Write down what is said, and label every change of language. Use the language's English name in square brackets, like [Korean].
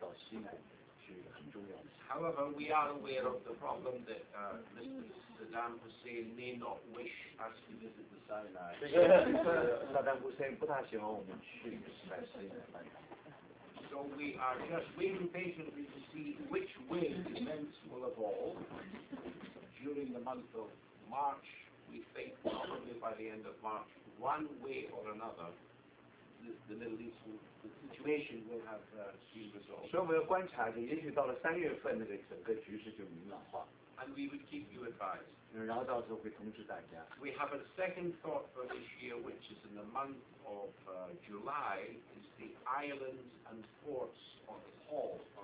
[Chinese] 所以也许那是很好的，有很我们考虑了好多理由，那么可能那是到西南是很重要的。 [English] However, we are aware of the problem that Mr. Saddam Hussein may not wish us to visit the Sinai. [Chinese] 萨达姆 Hussein 不大喜欢我们去西南。 [English] So we are just waiting patiently to see which way events will evolve during the month of March. We think probably by the end of March, one way or another, the Middle East will, the situation will have been resolved. [Chinese] 所以我们要观察着，也许到了三月份，那个整个局势就明朗化。 [English] And we would keep you advised. [Chinese] 然后到时候会通知大家。 [English] We have a second thought for this year, which is in the month of July, is the islands and forts on the Hall.